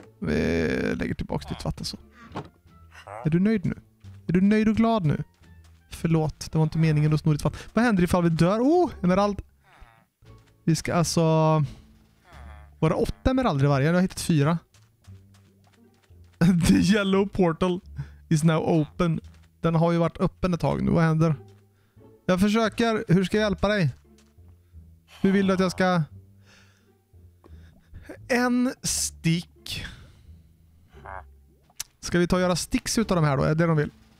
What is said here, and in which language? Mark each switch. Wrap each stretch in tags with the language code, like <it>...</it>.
<sv>Vi lägger tillbaka ditt vatten så. Är du nöjd nu? Är du nöjd och glad nu? Förlåt, det var inte meningen att snod ditt vatten. Vad händer ifall vi dör? Oh, emerald! Vi ska alltså... Var det 8 emeralder i varje? Jag har hittat 4.</sv> <en>The yellow portal is now open.</en> <sv>Den har ju varit öppen ett tag nu. Vad händer? Jag försöker. Hur ska jag hjälpa dig? Hur vill du att jag ska... En stick. Ska vi ta och göra sticks utav de här då? Är det de vill?</sv>